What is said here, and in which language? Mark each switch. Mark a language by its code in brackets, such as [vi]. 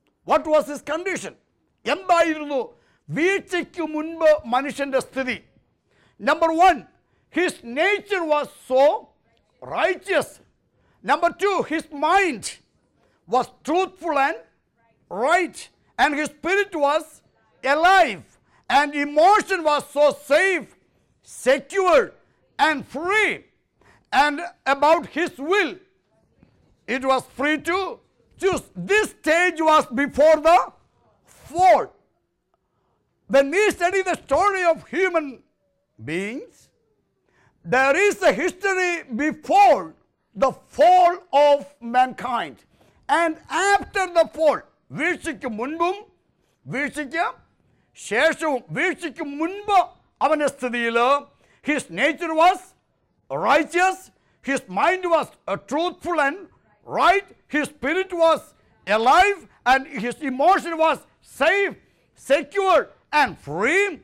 [en] What was his condition? [ml] എന്തായിരുന്നു വീഴ്ചയ്ക്ക് മുൻപ് മനുഷ്യൻ്റെ സ്ഥിതി? [en] Number one, his nature was so righteous. Number two, his mind was truthful and right. And his spirit was alive and emotion was so safe, secure and free. And about his will, it was free to choose. This stage was before the fall. When we study the story of human beings, there is a history before the fall of mankind and after the fall. [ml] Veechikku munbum, veechikku ശേഷവും, വീഴ്ചയ്ക്ക് മുൻപ് അവൻ്റെ സ്ഥിതിയിൽ, [en] His nature was righteous, his mind was truthful and right, his spirit was alive and his emotion was safe, secure and free.